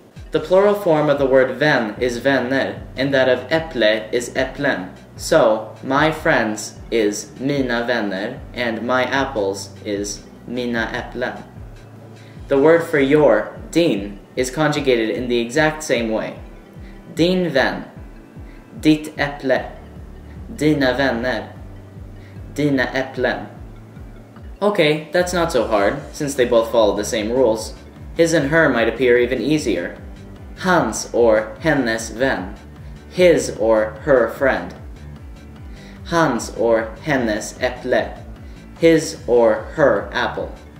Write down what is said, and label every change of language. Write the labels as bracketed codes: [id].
[en] The plural form of the word vän is vänner, and that of äpple is äpplen. So, my friends is [sv] mina vänner, [en] and my apples is [sv] mina äpplen. [en] The word for your, din, is conjugated in the exact same way. [sv] Din vän, ditt äpple, dina vänner, dina äpplen. [en] Okay, that's not so hard, since they both follow the same rules. His and her might appear even easier. Hans or [sv] hennes vän, [en] his or her friend. Hans or [sv] hennes äpple, [en] his or her apple.